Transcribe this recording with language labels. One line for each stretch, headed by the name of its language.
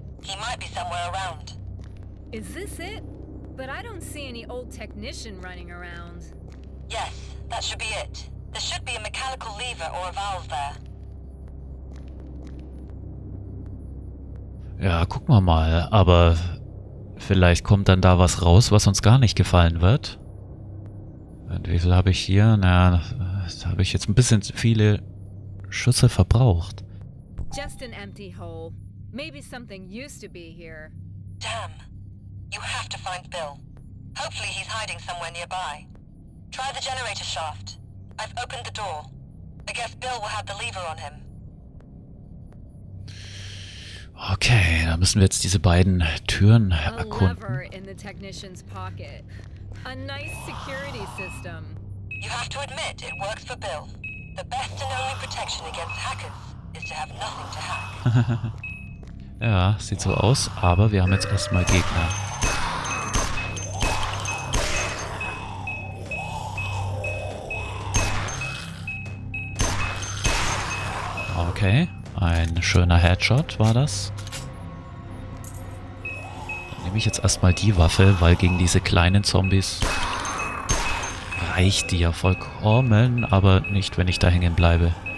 English: He might be somewhere around. Is this it? But I don't see any old technician running around. Yes, that should be it. There should be a mechanical lever or a valve there.
German: Ja, gucken wir mal. Aber vielleicht kommt dann da was raus, was uns gar nicht gefallen wird. Und wie viel habe ich hier? Na, da habe ich jetzt ein bisschen viele Schüsse verbraucht.
English: Just an empty hole. Maybe something used to be here. Damn. You have to find Bill. Hopefully he's hiding somewhere nearby. Try the generator shaft. I've opened the door. I guess Bill will have the lever on him.
German: Okay, da müssen wir jetzt diese beiden Türen erkunden.
English: A lever in the technician's pocket. A nice security system. You have to admit, it works for Bill. The best and only protection against hackers is to have nothing to hack.
German: Ja, sieht so aus, aber wir haben jetzt erstmal Gegner. Okay. Ein schöner Headshot war das. Dann nehme ich jetzt erstmal die Waffe, weil gegen diese kleinen Zombies reicht die ja vollkommen, aber nicht, wenn ich da hängen bleibe.